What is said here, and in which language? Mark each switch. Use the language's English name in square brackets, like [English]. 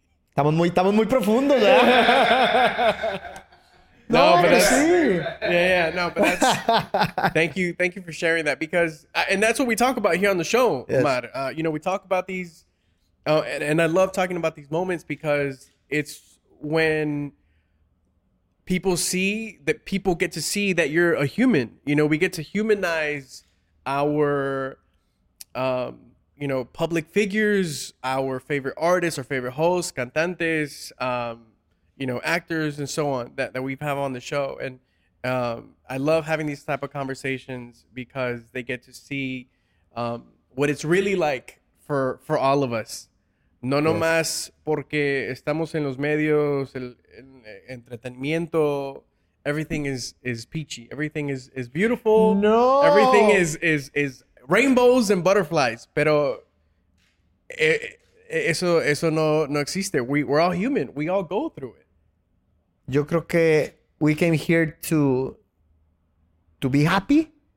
[Spanish] Estamos muy profundos, ¿verdad? [English] No, but that's, yeah, no, but that's, thank you for sharing that, because, and that's what we talk about here on the show, yes, Omar. You know, we talk about these, and I love talking about these moments, because it's when people see, that people get to see that you're a human. You know, we get to humanize our, you know, public figures, our favorite artists, our favorite hosts, cantantes, you know, actors and so on that we have on the show. And I love having these type of conversations, because they get to see what it's really like for all of us. [Spanish] No nomás porque estamos en los medios, el entretenimiento. [English] Everything is peachy. Everything is beautiful. No. Everything is rainbows and butterflies, [Spanish] pero eso no existe. [English] We're all human. We all go through it. [Spanish] Yo creo que [English] we came here to be happy.